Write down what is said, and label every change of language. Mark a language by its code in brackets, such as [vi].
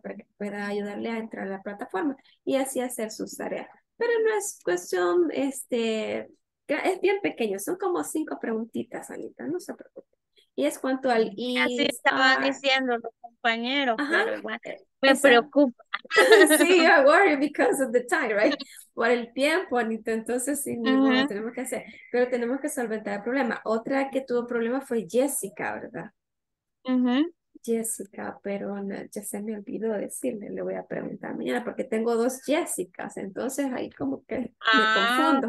[es] Para que pueda ayudarle a entrar a la plataforma y así hacer sus tareas. Pero no es cuestión, es bien pequeño, son como 5 preguntitas, Anita, no se preocupe. Y es cuanto al y así estaba diciendo los compañeros, pero bueno, me preocupa. [en] Sí, I worry because of the time, right? [es] Por el tiempo, Anita, entonces sí, no, lo tenemos que hacer. Pero tenemos que solventar el problema. Otra que tuvo problema fue Jessica, ¿verdad? Jessica, pero no, ya se me olvidó decirle, le voy a preguntar mañana porque tengo 2 Jessicas, entonces ahí como que me confundo.